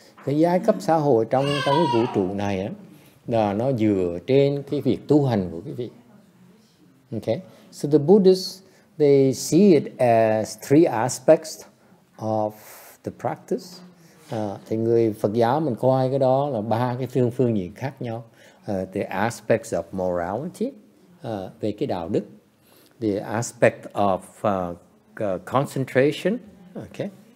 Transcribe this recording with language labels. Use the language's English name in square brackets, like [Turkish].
[Vietnamese] Cái giai cấp xã hội trong trong cái vũ trụ này á, là nó dựa trên cái việc tu hành của quý vị. [English] Okay, so the Buddhists, they see it as three aspects of the practice. [Vietnamese] Thì người Phật giáo mình coi cái đó là ba cái phương diện khác nhau. [English] The aspects of morality, [Vietnamese] về cái đạo đức. [English] The aspect of concentration, okay.